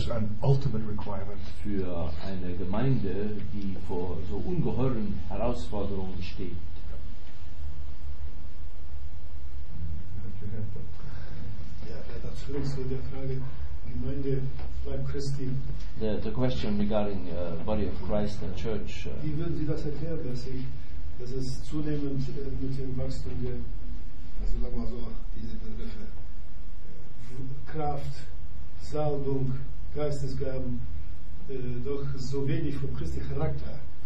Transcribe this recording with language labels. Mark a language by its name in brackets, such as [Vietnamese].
[German] für eine Gemeinde, die vor so ungeheuren Herausforderungen steht. Ja, dazu zu der Frage Gemeinde Leib Christi. [English] The question regarding Body of Christ and Church. [German] Wie würden Sie das erklären, dass es zunehmend mit dem Wachstum der, also sagen wir mal so, diese Begriffe Kraft, Salbung, Geistesgaben, doch so wenig vom Christi Charakter.